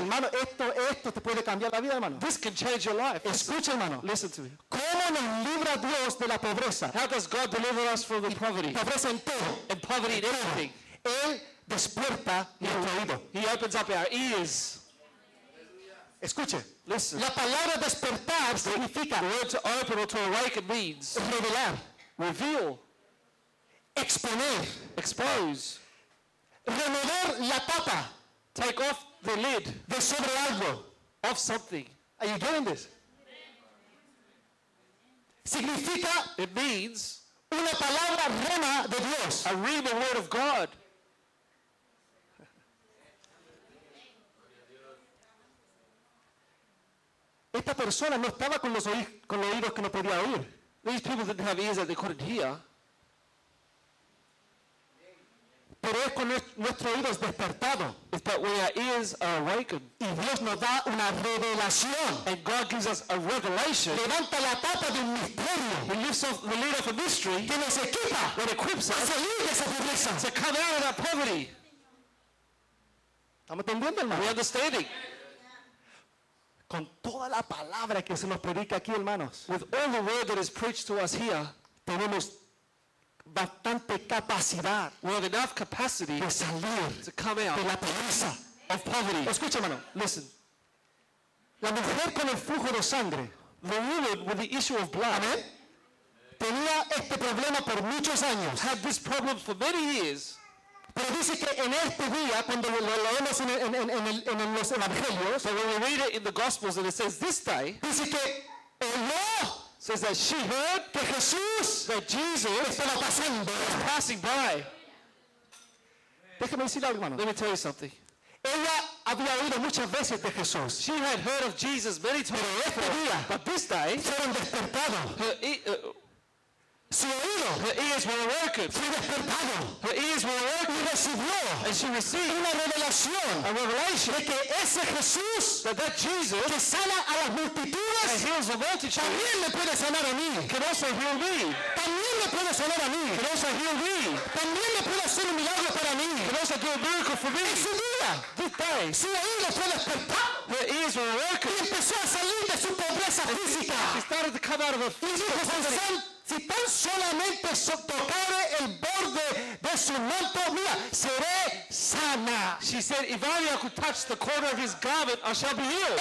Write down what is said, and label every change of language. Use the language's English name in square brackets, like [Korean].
[Spanish] Hermano, esto te puede cambiar la vida, hermano. [English] This can change your life. [Spanish] Escucha, hermano. [English] Listen to me. [Spanish] ¿Cómo nos libra Dios de la pobreza? [English] How does God deliver us from the poverty? [Spanish] Pobreza en todo. [English] And poverty in everything. [Spanish] Él despierta nuestro oído. [English] He opens up our ears. [Spanish] Escuche. [English] Listen. [Spanish] La palabra despertar significa. [English] The word to open or to awaken means. [Spanish] Revelar. [English] Reveal. [Spanish] Exponer. [English] Expose. [Spanish] Remover la tapa. [English] Take off the lid. [Spanish] De sobre algo. [English] Of something. Are you getting this? [Spanish] Significa. [English] It means. [Spanish] Una palabra rema de Dios. [English] A rema word of God. [Spanish] Esta persona no estaba con los oídos que no podía oír. [English] These people didn't have ears that they couldn't hear. [Spanish] Pero es con nuestro oído es despertado. [English] It's that our ears are awakened. [Spanish] Y Dios nos da una revelación. [English] And God gives us a revelation. [Spanish] Levanta la tapa de un misterio. [English] He lifts off the lid of a mystery. [Spanish] Que nos equipa. [English] That equips us. [Spanish] A salir de esa pobreza. [English] To come out of that poverty. [Spanish] ¿Estamos entendiendo, hermano? [English] We're understanding. [Spanish] Con toda la palabra que se nos predica aquí, hermanos. [English] With all the word that is preached to us here. [Spanish] Tenemos bastante capacidad. [English] We have enough capacity [Spanish] de salir [English] to come out [Spanish] de la pobreza. [English] Of poverty. [Spanish] Escucha, hermano. [English] Listen. [Spanish] La mujer con el flujo de sangre. [English] The woman with the issue of blood. [Spanish] Amen. Tenía este problema por muchos años. [English] Had this problem for many years. [Spanish] Pero dice que en este día, cuando lo leemos en los evangelios. [English] So when we read it in the gospels and it says this day. [Spanish] Dice que oyó. [English] Says that she heard [Spanish] que Jesús, [English] that Jesus [Spanish] estaba pasando, [English] was passing by. [Spanish] Déjeme decirle algo, hermano. [English] Let me tell you something. [Spanish] Ella había oído muchas veces de Jesús. [English] She had heard of Jesus many times. [Spanish] Pero este día, [English] but this day, [Spanish] fueron despertados. Su oído, [English] her ears were awakened. [Spanish] Fue despertado. [English] Her ears were awakened. [Spanish] Y recibió, [English] and she received, [Spanish] una revelación, [English] a revelation, [Spanish] de que ese Jesús, [English] that Jesus, [Spanish] que sana a las multitudes, [English] that heals the multitudes, [Spanish] también me puede sanar a mí. [English] Can also heal me. [Spanish] También me puede sanar a mí. [English] Can also heal me. [Spanish] También me puede hacer un milagro para mí. [English] Can also do a miracle for me. [Spanish] En su día, [English] this day, [Spanish] su oído fue despertado. [English] Her ears were awakened. [Spanish] Y empezó a salir de su pobreza física. [English] She started to come out of her physical. [Spanish] Si tan solamente tocare el borde de su manto, mira, seré sana. [English] She said, if only I could touch the corner of his garment, I shall be healed.